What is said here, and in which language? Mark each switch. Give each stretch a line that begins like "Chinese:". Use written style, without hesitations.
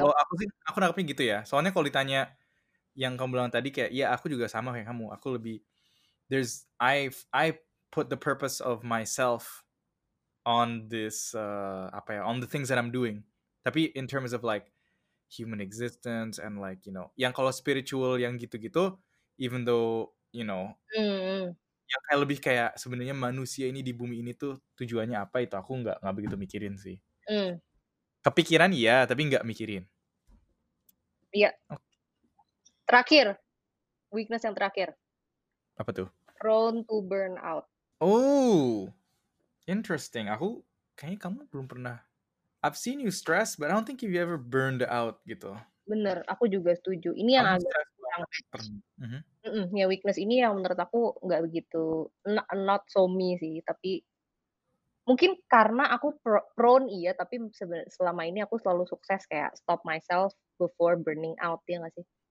Indonesian: Kalau oh, aku sih, aku nangkepnya gitu ya. Soalnya kalau ditanya yang kamu bilang tadi kayak, iya aku juga sama kayak kamu. Aku lebih,
English: there's, I put the purpose of myself on this,
Indonesian: apa ya,
English: on the things that I'm doing.
Indonesian: Tapi
English: in terms of like, human existence and like, you know,
Indonesian: yang kalau spiritual yang gitu-gitu,
English: even though, you know,
Indonesian: yang kayak lebih kayak sebenarnya manusia ini di bumi ini tuh tujuannya apa, itu aku nggak begitu mikirin sih. Kepikiran iya, tapi nggak mikirin. Iya. Terakhir, weakness yang terakhir. Apa tuh?
English: Prone to burnout. Oh, interesting.
Indonesian: Aku kayaknya kamu belum pernah.
English: I've seen you stress, but I don't think you've ever burned out
Indonesian: gitu. Bener, aku juga setuju. Ini yang agak kurang. Ya weakness ini yang menurut aku nggak begitu
English: not so me
Indonesian: sih, tapi mungkin karena aku prone iya, tapi selama ini aku selalu sukses kayak
English: stop myself before burning out,
Indonesian: ya nggak sih?